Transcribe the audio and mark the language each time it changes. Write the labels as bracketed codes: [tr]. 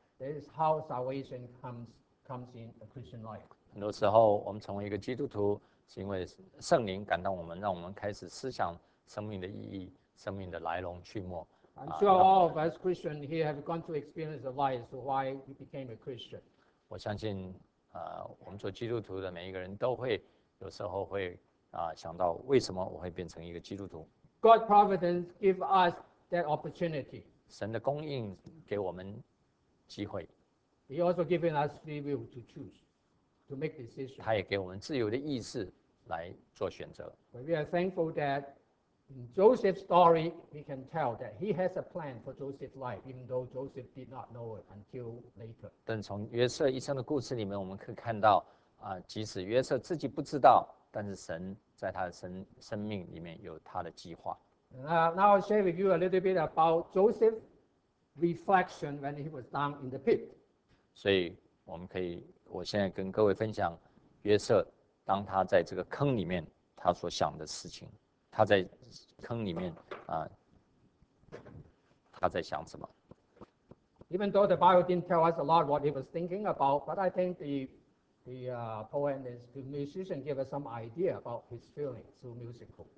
[en] That is how salvation comes in a Christian life. [zh] 很多时候我们成为一个基督徒，是因为圣灵感动我们，让我们开始思想生命的意义。 [en] I'm sure all of us Christians here have gone through experience of life, so why we became a Christian. [zh] 我相信, 我们做基督徒的每一个人都会有时候会想到为什么我会变成一个基督徒。 [en] God's providence give us that opportunity. [zh] 神的供应给我们机会。 [en] He also given us free will to choose, to make decisions. [zh] 他也给我们自由的意志来做选择。 [en] But we are thankful that in Joseph's story, we can tell that he has a plan for Joseph's life, even though Joseph did not know it until later. [zh] 但从约瑟一生的故事里面，我们可以看到即使约瑟自己不知道，但是神在他的生命里面有他的计划。 [en] Now I'll share with you a little bit about Joseph's reflection when he was down in the pit. [zh] 所以我们可以，我现在跟各位分享约瑟当他在这个坑里面他所想的事情，他在坑里面他在想什么。 [en] Even though the Bible didn't tell us a lot what he was thinking about, but I think the poet and the musician gave us some idea about his feelings through musical.